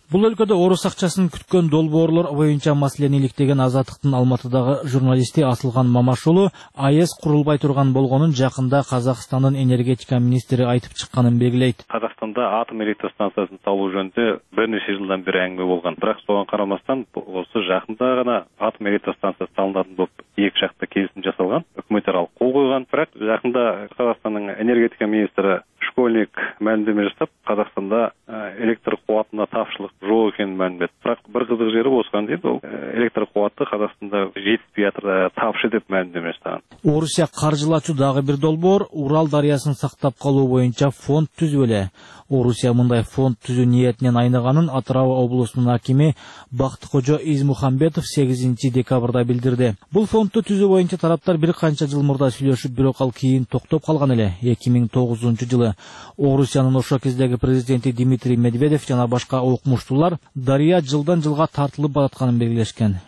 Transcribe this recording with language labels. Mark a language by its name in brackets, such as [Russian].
[Kyrgyz] Бул өлкөдө орус акчасын күткөн долбоорлор боюнча маселени иликтеген Азаттыктын Алматыдагы журналисти Асылган Мамашулу АЭС курулбай турган болгонун жакында Казакстандын энергетика министри айтып чыкканын белгилейт. Казакстанда атом электр станциясын салуу жөнүндө бир нече жылдан бери аңгыме болгон. Бирок соган карамастан осы жакында гана атом электр станциясы салынатын болуп эки жакта келисим жасалган. Өкмөт аралык кол койгон. [Kazakh] Бирок жакында Казакстандын энергетика министри Школьник мәлімдеме жасап, Қазақстанда электр қуатына тапшылық жоқ екенін мәлімдеді. Бірақ бір қызық жері осыған дейді, ол электр қуаты Қазақстанда жетіспей жатыр, тапшы деп мәлімдеме жасаған. Орусия қаржылатшы дағы бір долбор Урал дариясын сақтап қалу бойынша фонд түзіп еді. [Kyrgyz] Орусия мындай фонд түзүү ниетинен айныганын Атырау облусунун акими Бактыкожо Измухамбетов 8 декабрда билдирди. Бул фондду түзүү боюнча тараптар бир канча жыл мурда сүйлөшүп, бирок ал кийин токтоп калган эле. 2009 жылы Орусиянын ошол кездеги президенти Дмитрий Медведев жана башка окумуштуулар дарыя жылдан жылга тартылып баратканын белгилешкен.